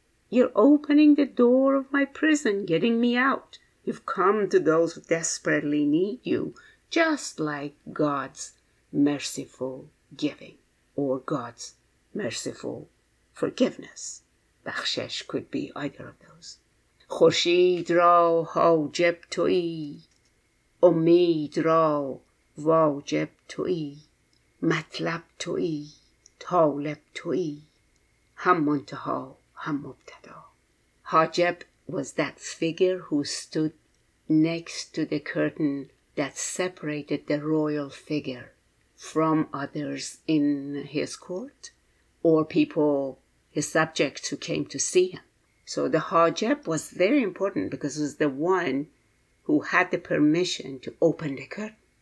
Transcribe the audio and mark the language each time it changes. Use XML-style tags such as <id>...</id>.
<en>You're opening the door of my prison, getting me out. You've come to those who desperately need you, just like God's merciful giving or God's merciful forgiveness. Bakhshesh could be either of those.</en> <fa>خورشید را حاجب توی، امید را واجب توی، مطلب توی، طالب توی، هم منتها هم مبتدا.</fa> <en>حاجب was that figure who stood next to the curtain that separated the royal figure from others in his court, or people, his subjects who came to see him. So the Hajib was very important because it was the one who had the permission to open the curtain.</en>